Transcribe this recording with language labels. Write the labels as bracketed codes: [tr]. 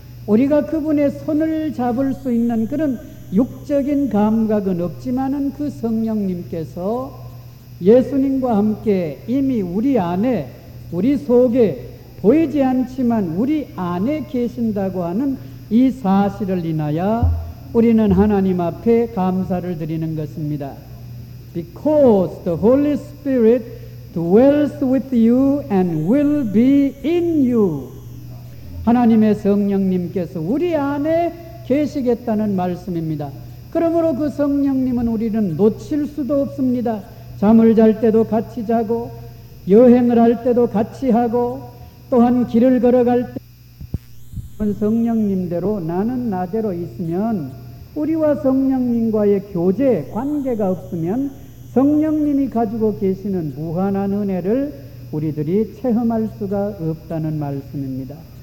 [ko] 우리가 그분의 손을 잡을 수 있는 그런 육적인 감각은 없지만은 그 성령님께서 예수님과 함께 이미 우리 안에, 우리 속에 보이지 않지만 우리 안에 계신다고 하는 이 사실을 인하여 우리는 하나님 앞에 감사를 드리는 것입니다. [en] Because the Holy Spirit dwells with you and will be in you. [ko] 하나님의 성령님께서 우리 안에 계시겠다는 말씀입니다. 그러므로 그 성령님은 우리는 놓칠 수도 없습니다. 잠을 잘 때도 같이 자고, 여행을 할 때도 같이 하고, 또한 길을 걸어갈 때 성령님대로 나는 나대로 있으면, 우리와 성령님과의 교제 관계가 없으면 성령님이 가지고 계시는 무한한 은혜를 우리들이 체험할 수가 없다는 말씀입니다.